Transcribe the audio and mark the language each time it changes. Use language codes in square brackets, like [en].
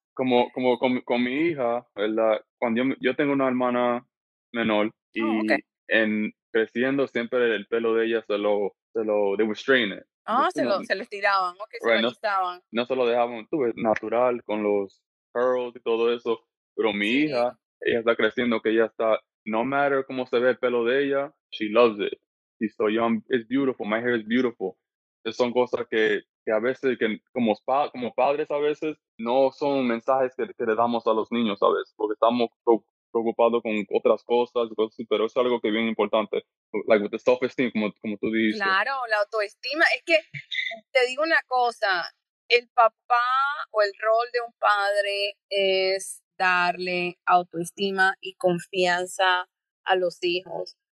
[es] Como con mi hija, ¿verdad? Cuando yo tengo una hermana menor y en creciendo siempre el pelo de ella se lo, [en] they would strain it. [es] Se lo estiraban, okay, right, se lo quitaban. No se lo dejaban, tú ves, natural, con los curls y todo eso. Pero mi hija, ella está creciendo, que ella está, [en] no matter [es] cómo se ve el pelo de ella, [en] she loves it. She's so young, it's beautiful, my hair is beautiful. [es] Son cosas que a veces, que como padres a veces, no son mensajes que le damos a los niños, ¿sabes? Porque estamos preocupados con otras cosas, pero es algo que es bien importante. [en] Like with the self-esteem, [es] como tú dices. Claro, la autoestima. Es que, te digo una cosa, el papá o el rol de un padre es darle autoestima y confianza a los hijos.